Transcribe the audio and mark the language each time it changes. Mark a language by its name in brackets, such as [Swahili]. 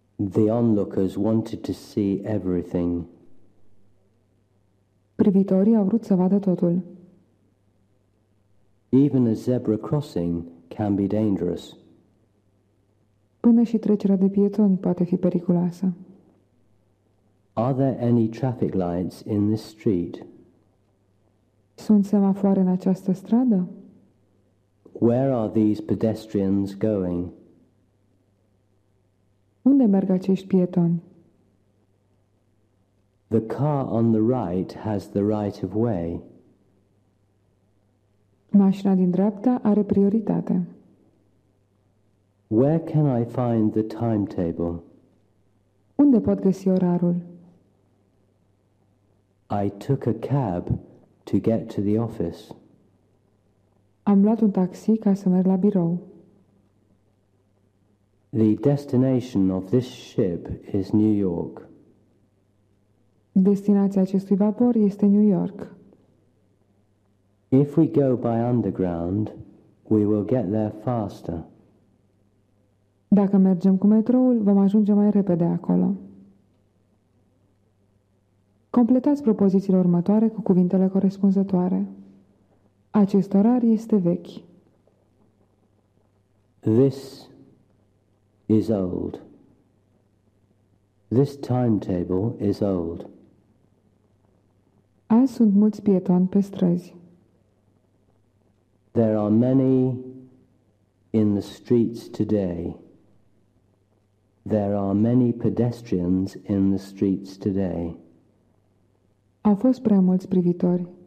[English] The onlookers wanted to see everything. [Romanian] Privitorii au vrut să vadă totul. [English] Even a zebra crossing can be dangerous. [Romanian] Până și trecerea de pietoni poate fi periculoasă. [English] Are there any traffic lights in this street? [Romanian] Sunt semafoare în această stradă? [English] Where are these pedestrians going? [Romanian] Unde merg acești pietoni? [English] The car on the right has the right of way. [Romanian] Mașina din dreapta are prioritate. [English] Where can I find the timetable? [Romanian] Unde pot găsi orarul? [English] I took a cab to get to the office. [Romanian] Am luat un taxi ca să merg la birou. [English] The destination of this ship is New York. [Romanian] Destinația acestui vapor este New York. [English] If we go by underground, we will get there faster. [Romanian] Dacă mergem cu metroul, vom ajunge mai repede acolo. Completați propozițiile următoare cu cuvintele corespunzătoare. Acest orar este vechi. [English] This is old. This timetable is old. [Romanian] Azi sunt mulți pietoni pe străzi. [English] There are many in the streets today. There are many pedestrians in the streets today. [Romanian] Au fost prea mulți privitori.